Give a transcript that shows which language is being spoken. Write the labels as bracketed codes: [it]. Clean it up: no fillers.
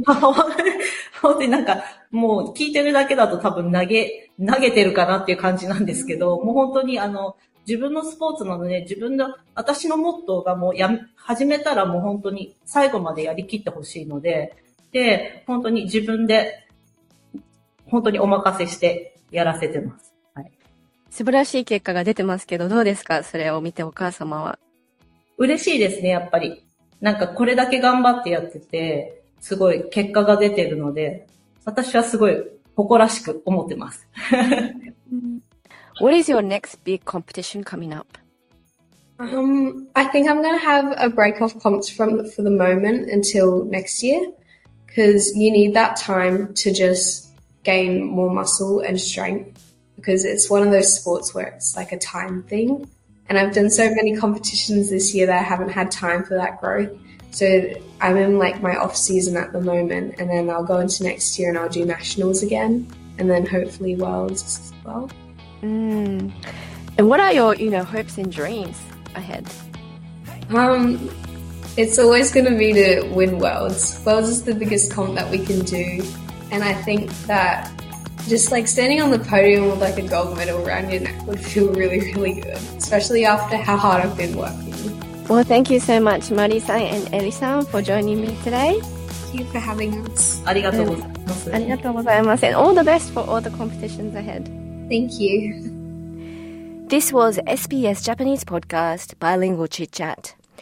[ja] 本当になんか、もう聞いてるだけだと多分投げてるかなっていう感じなんですけど、もう本当に自分のスポーツなので、自分の、私のモットーがもう始めたらもう本当に最後までやりきってほしいので、で、本当に自分で、本当にお任せしてやらせてます。素晴らしい結果が出てますけど、どうですか？それを見てお母様は。嬉しいですね、やっぱり。なんかこれだけ頑張ってやってて、すごい結果が出てるので、私はすごい誇らしく思ってます。 [en] What is your next big competition coming up? I think I'm going to have a break off comps for the moment until next year, because you need that time to just gain more muscle and strength, because it's one of those sports where it's like a time thing. And I've done so many competitions this year that I haven't had time for that growth. So I'm in like my off season at the moment, and then I'll go into next year and I'll do nationals again, and then hopefully worlds as well. And what are your, you know, hopes and dreams ahead? It's always going to be to win worlds. Worlds is the biggest comp that we can do. And I think that just like standing on the podium with like a gold medal around your neck would feel really, really good, especially after how hard I've been working. Well, thank you so much, Mari-san and Eri-san, for joining me today. Thank you for having us. [ja] ありがとうございます。 [en] And all the best for all the competitions ahead. Thank you. This was SBS Japanese podcast, Bilingual Chit Chat.